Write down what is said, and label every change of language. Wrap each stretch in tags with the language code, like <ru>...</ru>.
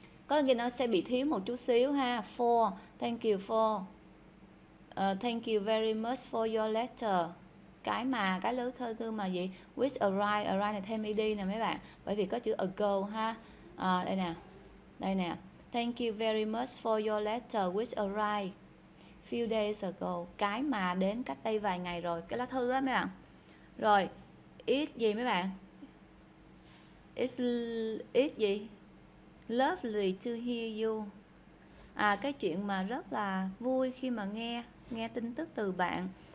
<vi>Có nghĩa nó sẽ bị thiếu một chút xíu ha.</vi> <en>For, thank you for. Thank you very much for your letter.</en> <vi>Cái lớp thơ tư mà gì?</vi> <en>Which arrive,</en> <vi>arrive này thêm ed nè mấy bạn. Bởi vì có chữ ago ha. Đây nè. Đây nè.</vi> <en>Thank you very much for your letter which arrived few days ago.</en> <vi>Cái mà đến cách đây vài ngày rồi. Cái lá thư á mấy bạn. Rồi, is gì mấy bạn?</vi> <en>Is</en> <vi>gì?</vi> <en>Lovely to hear you.</en> <vi>À, cái chuyện mà rất là vui khi mà nghe nghe tin tức từ bạn.</vi>